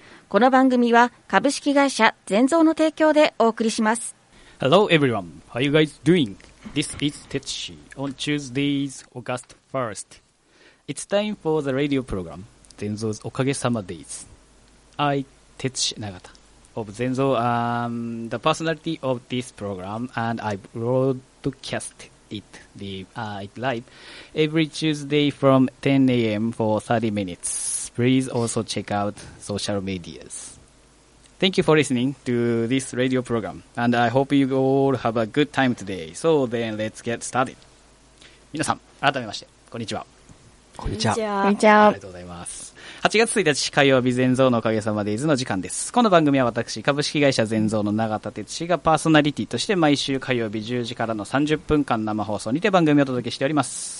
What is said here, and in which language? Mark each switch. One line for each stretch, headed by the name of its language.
Japanese: この番組は株式会社全蔵の提供でお送りします。
English: Hello everyone, how you guys doing? This is Tetsushi on Tuesdays, August 1st. It's time for the radio program 全蔵おかげさまデイズ。 I, Tetsushi Nagata of 全蔵 the personality of this program, and I broadcast it live every Tuesday from 10 a.m. for 30 minutes. Please also check out social medias. Thank you for listening to this radio program, and I hope you all have a good time today. So then, let's get started.
Japanese: 皆さん、改めまして、こんにちは。こんにちは。こんにちは。ありがとうございます。8月1日火曜日、全蔵のおかげさまデイズの時間です。この番組は私、株式会社全蔵の永田哲司がパーソナリティとして毎週火曜日10時からの30分間生放送にて番組をお届けしております。